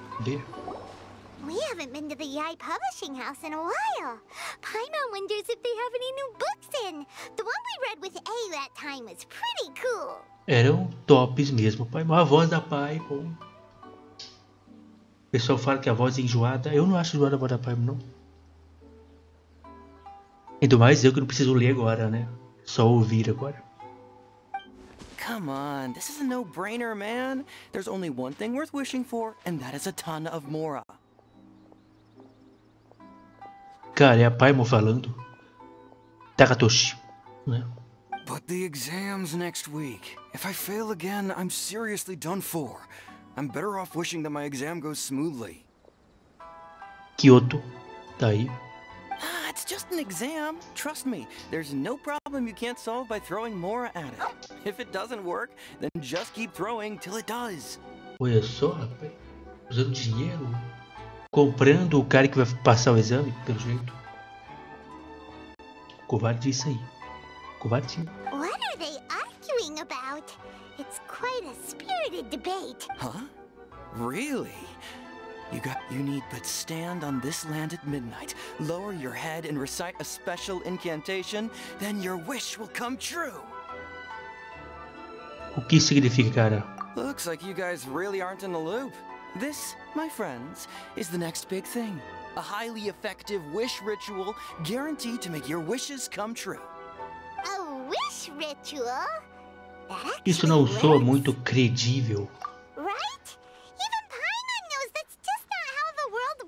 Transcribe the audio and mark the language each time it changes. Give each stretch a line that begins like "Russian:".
English: We haven't been to the Yai Publishing House in a while. Paimon wonders if they have any new books in. The one we read with A that time was pretty cool.
Portuguese: Eram tops mesmo, Paimon. A voz da Paimon. O pessoal fala que a voz é enjoada. Eu não acho enjoada a voz da Paimon, não. Ainda mais eu que não preciso ler agora, né? Só ouvir agora.
English: Come on, this is a no-brainer, man. There's only one thing worth wishing for, and that is a ton of Mora.
Portuguese: Cara, é a Paimon falando. Takatoshi, né?
English: But the exam's next week. If I fail again, I'm seriously done for. I'm better off wishing that my exam goes smoothly.
Portuguese: Kyoto, tá aí.
English: Ah, it's just an exam. Trust me, there's no problem you can't solve by throwing Mora at it. If it doesn't work, then just keep throwing till it does.
Portuguese: Olha só, rapaz. Usando dinheiro. Comprando o cara que vai passar o exame, pelo jeito. Covarde isso aí. Covarde.
English: What are they arguing about? It's quite a spirited debate. Huh? Really? You need but stand on this land at midnight, lower your head and recite a special incantation, then your wish will come true.
Portuguese: O que significa, cara?
English: Looks like you guys really aren't in the loop. This, my friends, is the next big thing. A highly effective wish ritual guaranteed to make your wishes come true. A wish ritual?
Portuguese: Isso não soa muito credível.
English: Right? Even Paimon knows that's just not how the world